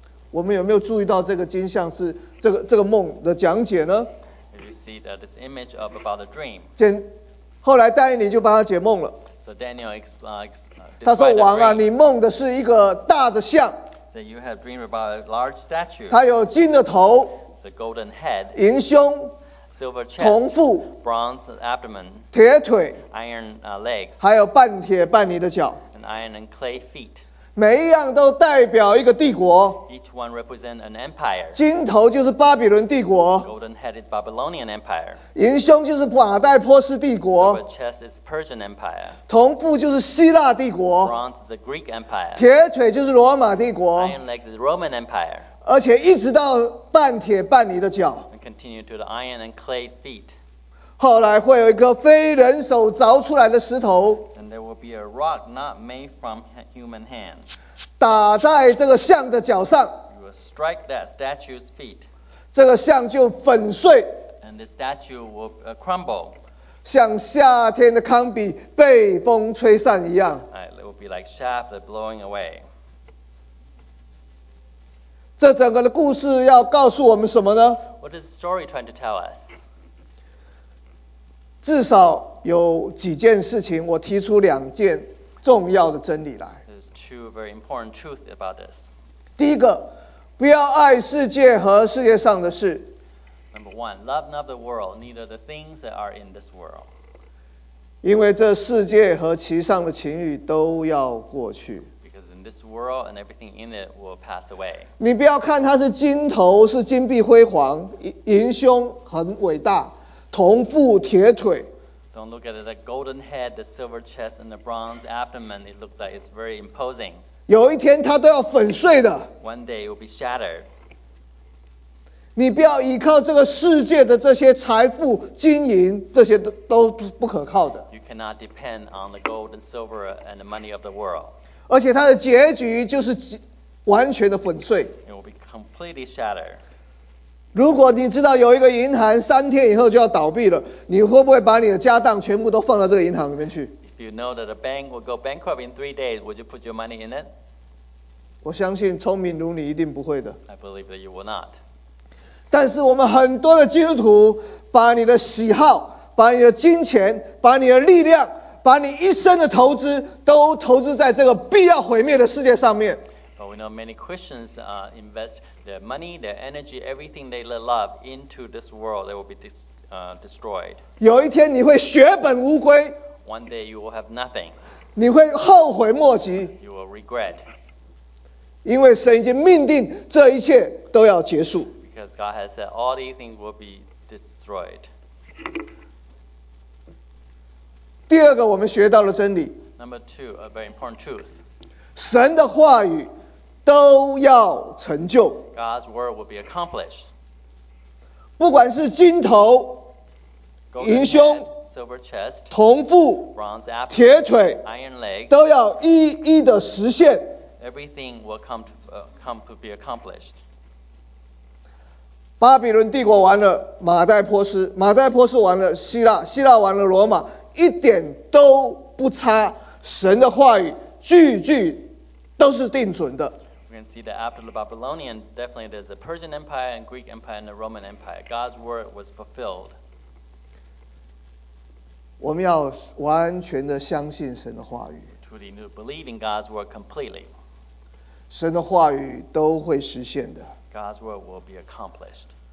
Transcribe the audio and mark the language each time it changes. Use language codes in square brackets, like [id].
[zh] 我们有没有注意到这个金像是这个梦的讲解呢 [en] ？You see that this image of about the dream. [zh] 后来但以理就帮他解梦了。 [en] So Daniel explains. [zh] 他说王啊，你梦的是一个大的像。 [en] So you have dreamed about a large statue. [zh] 它有金的头。 [en] The golden head. [zh] 银胸。 [en] Silver chest. [zh] 铜腹。 [en] Bronze abdomen. [zh] 铁腿。 [en] Iron legs. [zh] 还有半铁半泥的脚。 [en] And iron and clay feet. [zh] 每一样都代表一个帝国 [en] Each one represents an empire. [zh] 金头就是巴比伦帝国 [en] Golden head is Babylonian empire. [zh] 银胸就是马代波斯帝国 [en] Silver chest is Persian empire. [zh] 铜腹就是希腊帝国 [en] Bronze is the Greek empire. [zh] 铁腿就是罗马帝国 [en] Iron legs is Roman empire. [zh] 而且一直到半铁半泥的脚 [en] And continue to the iron and clay feet. [zh] 后来会有一个非人手凿出来的石头 [en] There will be a rock not made from human hands. [zh] 打在这个像的脚上。 [en] You will strike that statue's feet. [zh] 这个像就粉碎。 [en] And the statue will crumble. [zh] 像夏天的糠秕被风吹散一样。 [en] It will be like chaff that's blowing away. [zh] 这整个的故事要告诉我们什么呢 [en] ？What is the story trying to tell us? [zh] 至少有几件事情，我提出两件重要的真理来。 [en] There's two very important truths about this. [zh] 第一个，不要爱世界和世界上的事。 [en] Number one, love not the world, neither the things that are in this world. [zh] 因为这世界和其上的情欲都要过去。 [en] Because in this world and everything in it will pass away. [zh] 你不要看它是金头，是金碧辉煌，银胸很伟大。铜腹铁腿 [en] Don't look at it, the golden head, the silver chest, and the bronze abdomen. It looks like it's very imposing. [zh] 有一天它都要粉碎的 [en] One day it will be shattered. [zh] 你不要依靠这个世界的这些财富、金银，这些都不可靠的 [en] You cannot depend on the gold and silver and the money of the world. [zh] 而且它的结局就是完全的粉碎 [en] It will be completely shattered. [zh] 如果你知道有一个银行三天以后就要倒闭了，你会不会把你的家当全部都放到这个银行里面去 [en] ？If you know that a bank will go bankrupt in three days, would you put your money in it? [zh] 我相信聪明如你一定不会的。 [en] I believe that you will not. [zh] 但是我们很多的基督徒把你的喜好、把你的金钱、把你的力量、把你一生的投资都投资在这个必要毁灭的世界上面。 [en] But we know many Christians invest their money, their energy, everything they love into this world that will be destroyed. [zh] 有一天你会血本无归。 [en] One day you will have nothing. [zh] 你会后悔莫及。 [en] You will regret. [zh] 因为神已经命定这一切都要结束。 [en] Because God has said all these things will be destroyed. [zh] 第二个我们学到了真理。 [en] Number two, a very important truth. [zh] 神的话语都要成就。 [en] God's word will be accomplished. [zh] 不管是金头、银胸、 [en] silver chest、 [zh] 铜腹、 [en] bronze apple、 [zh] 铁腿、 [en] iron leg， [zh] 都要一一的实现。 [en] Everything will come to be accomplished. [zh] 巴比伦帝国完了，马代波斯，马代波斯完了，希腊，希腊完了，罗马，一点都不差。神的话语句句都是定准的。 [en] We can see that after the Babylonian, definitely there's a Persian Empire and Greek Empire and the Roman Empire. God's word was fulfilled. [zh] 我们要完全的相信神的话语。 [en] Truly believe in God's word completely. [zh] 神的话语都会实现的。 [en] God's word will be accomplished.